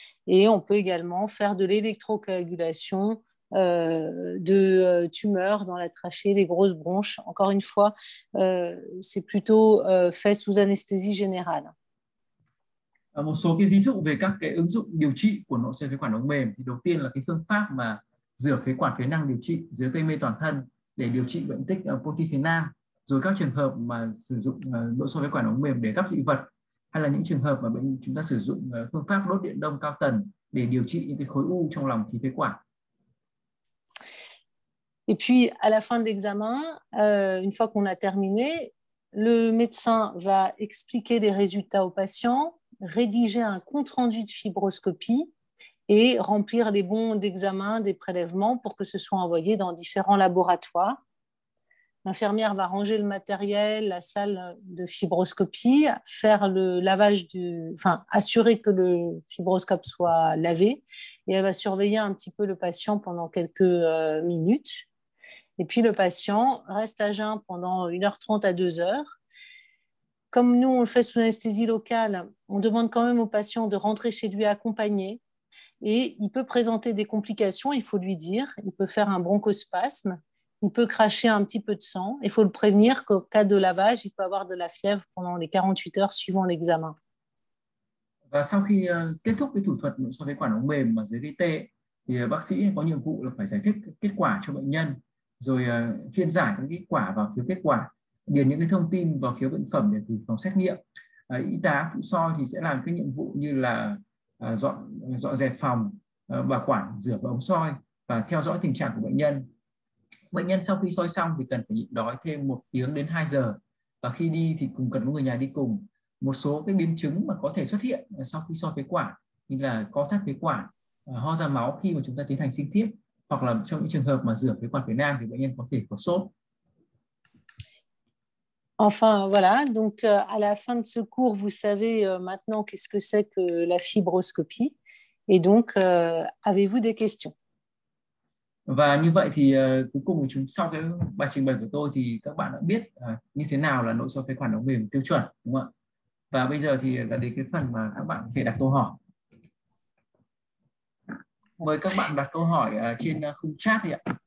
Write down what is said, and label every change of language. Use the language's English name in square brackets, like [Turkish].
[French] Et on peut également faire de l'électrocoagulation de tumeurs dans la trachée, des grosses bronches. Encore une fois, c'est plutôt fait sous anesthésie générale. [Vietnamese] Một số cái ví dụ về các cái ứng dụng điều trị của nội soi phế quản ống mềm thì đầu tiên là cái phương pháp mà rửa phế quản phế năng điều trị dưới gây mê toàn thân để điều trị bệnh tích protein phế năng, rồi các trường hợp mà sử dụng nội soi phế quản ống mềm để gắp dị vật, hay là những trường hợp mà chúng ta sử dụng phương pháp đốt điện đông cao tần để điều trị những cái khối u trong lòng khí phế quản. [French] Et puis à la fin de l'examen, une fois qu'on a terminé, le médecin va expliquer les résultats au patient, rédiger un compte-rendu de fibroscopie et remplir les bons d'examen, des prélèvements pour que ce soit envoyé dans différents laboratoires. L'infirmière va ranger le matériel, la salle de fibroscopie, faire le lavage assurer que le fibroscope soit lavé, et elle va surveiller un petit peu le patient pendant quelques minutes. Et puis le patient reste à jeun pendant 1h30 à 2h. Comme nous, on le fait sous anesthésie locale, on demande quand même au patient de rentrer chez lui accompagné. Et il peut présenter des complications, il faut lui dire. Il peut faire un bronchospasme, il peut cracher un petit peu de sang. Il faut le prévenir qu'au cas de lavage, il peut avoir de la fièvre pendant les 48 heures suivant l'examen. [Vietnamese] Và sau khi kết thúc cái thủ thuật nội soi phế quản ống mềm mà dưới gây tê, thì bác sĩ có nhiệm vụ là phải giải thích kết quả cho bệnh nhân, rồi phiên giải các kết quả và phiếu kết quả. điền những cái thông tin vào phiếu bệnh phẩm để gửi phòng xét nghiệm. Y tá phụ soi thì sẽ làm cái nhiệm vụ như là dọn dẹp phòng, bảo quản rửa và ống soi và theo dõi tình trạng của bệnh nhân. Bệnh nhân sau khi soi xong thì cần phải nhịn đói thêm 1 tiếng đến 2 giờ và khi đi thì cũng cần có người nhà đi cùng. Một số cái biến chứng mà có thể xuất hiện sau khi soi phế quản như là co thắt phế quản, ho ra máu khi mà chúng ta tiến hành sinh thiết, hoặc là trong những trường hợp mà rửa phế quản phế nang thì bệnh nhân có thể có sốt. [French] Enfin, voilà, donc à la fin de ce cours, vous savez maintenant qu'est-ce que c'est que la fibroscopie. Et donc, avez-vous des questions? [Vietnamese] Và như vậy thì cuối cùng sau cái bài trình bày của tôi thì các bạn đã biết như thế nào là nội soi phế quản ống mềm tiêu chuẩn, đúng không ạ? Và bây giờ thì là đến cái phần mà các bạn có thể đặt câu hỏi. Mời các bạn đặt câu hỏi trên khung chat đi ạ.